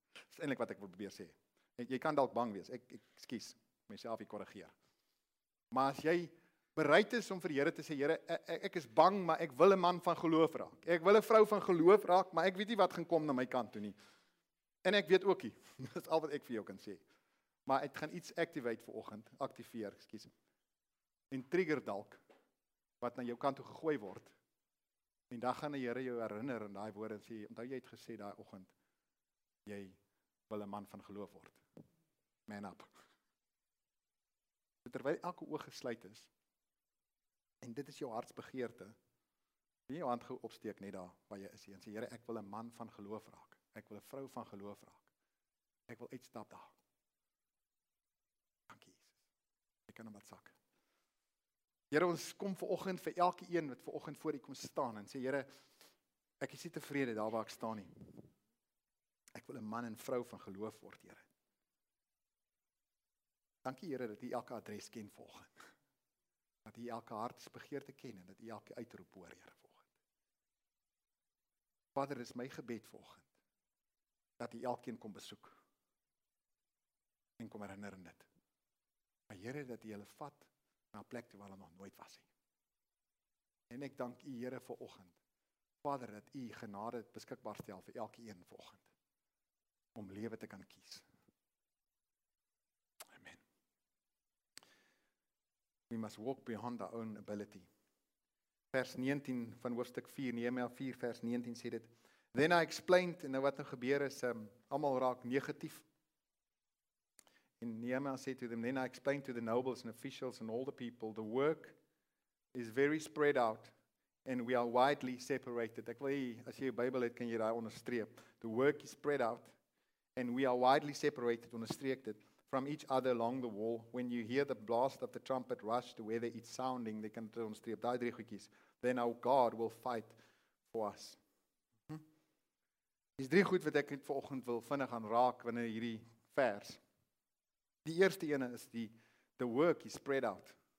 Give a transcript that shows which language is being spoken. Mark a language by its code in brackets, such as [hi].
[af] Dis eintlik wat ek wil probeer sê. Jy kan dalk bang wees, ek skuis, myself hier korrigeer. Maar as jy bereid is om vir die Here te sê, Here, ek is bang, maar ek wil 'n man van geloof raak. Ek wil 'n vrou van geloof raak, maar ek weet nie wat gaan kom na my kant toe nie. En ek weet ook nie. Dis al wat ek vir jou kan sê. Maar ek gaan iets aktiveer. En trigger dalk wat na jou kant toe gegooi word. En dan gaan die Here jou herinner aan daai woorde en sê, onthou jy het gesê daai oggend jy wil 'n man van geloof word. Man up. Terwyl elke oog gesluit is, en dit is jou hartsbegeerte, wie jou hand gou opsteek net daar waar jy is en sê, Here, ek wil 'n man van geloof raak. Ek wil 'n vrou van geloof raak. Ek wil uitstap daar. Dankie Jesus. Ek kan hom wat sak. Here, ons kom vanoggend vir elke een wat vanoggend voor U kom staan en sê, Here, ek is nie tevrede daar waar ek staan nie. Ek wil 'n man en vrou van geloof word, Here. Dankie Here dat U elke adres ken vanoggend. Dat U elke hartsbegeerte ken en dat U elke uitroep hoor, Here, vanoggend. Vader, is my gebed vanoggend dat U elkeen kom besoek en kom herinner dit. Maar Here, dat U hulle vat na 'n plek toe waar hulle nog nooit was nie. En ek dank U Here vanoggend, Vader, dat U genade beskikbaar stel vir elke een vanoggend om lewe te kan kies. Amen. [en] We must walk beyond our own ability. [af] Vers 19 van hoofstuk 4, Nehemia 4 vers 19 sê dit, [en] then I explained, [af] en nou wat nou gebeur is, almal raak negatief. En Nehemia sê [en] to them, then I explained to the nobles and officials and all the people, the work is very spread out and we are widely separated. [af] Ek wil hier, as jy jou Bybel het, kan jy daar onderstreep. [en] The work is spread out and we are widely separated, [af] onderstreek dit, [en] from each other along the wall. When you hear the blast of the trumpet rush to where it's sounding, they can demonstrate [af] die drie goedjies. [en] Then our God will fight for us. [af] Dis drie goed wat ek net vanoggend wil vinnig aan raak wanneer hierdie vers. Die eerste ene is [en] the work is spread out.